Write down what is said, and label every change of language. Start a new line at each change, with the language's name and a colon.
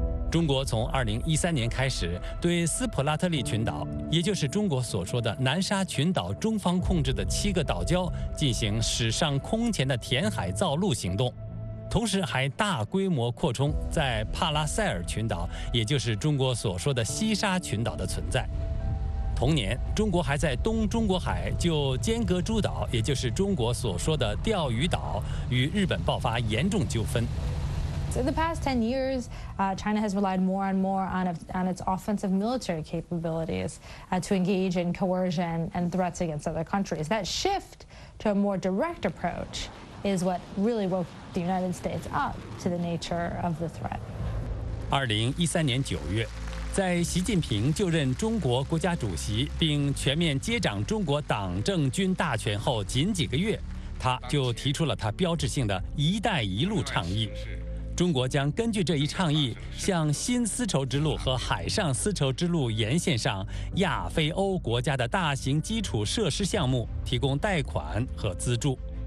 Chinese: 中国从2013年开始对斯普拉特利群岛，也就是中国所说的南沙群岛中方控制的七个岛礁进行史上空前的填海造陆行动，同时还大规模扩充在帕拉塞尔群岛，也就是中国所说的西沙群岛的存在。同年，中国还在东中国海就尖阁诸岛，也就是中国所说的钓鱼岛，与日本爆发严重纠纷。
English: So in the past 10 years, China has relied more and more on its offensive military capabilities to engage in coercion and threats against other countries. That shift to a more direct approach is what really woke the United States up to the nature of the threat.
Chinese: 2013年9月，在习近平就任中国国家主席并全面接掌中国党政军大权后仅几个月，他就提出了他标志性的“一带一路”倡议。中国将根据这一倡议，向新丝绸之路和海上丝绸之路沿线上亚非欧国家的大型基础设施项目提供贷款和资助。